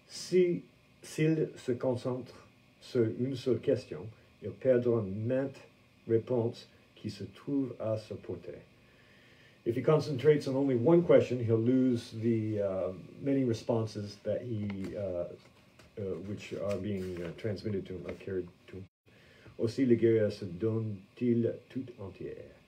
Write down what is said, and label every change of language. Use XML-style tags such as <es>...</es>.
<fr>S'il se concentre sur une seule question, il perdra maintes réponses qui se trouvent à sa portée.</fr> <en>If he concentrates on only one question, he'll lose the many responses that he, which are being transmitted to him, or carried to him.</en> <fr>Aussi, le guerrier se donne-t-il tout entier.</fr>